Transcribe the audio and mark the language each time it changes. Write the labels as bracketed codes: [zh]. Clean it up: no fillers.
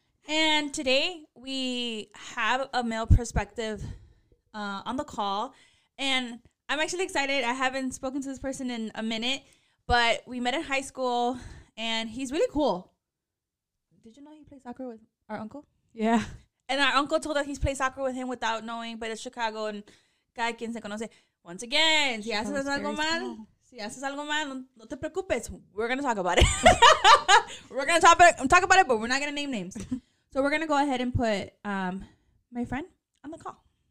[en] And today we have a male perspective on the call, and I'm actually excited. I haven't spoken to this person in a minute, but we met in high school, and he's really cool. Did you know he played soccer with our uncle? Yeah. And our uncle told us he's played soccer with him without knowing, but it's Chicago, and [es] cada quien se conoce. [en] Once again, [es] si haces algo [en] small. [es] Mal, si haces algo mal, no te preocupes. [en] We're going to talk about it. We're going to talk about it, but we're not going to name names. So we're going to go ahead and put my friend on the call.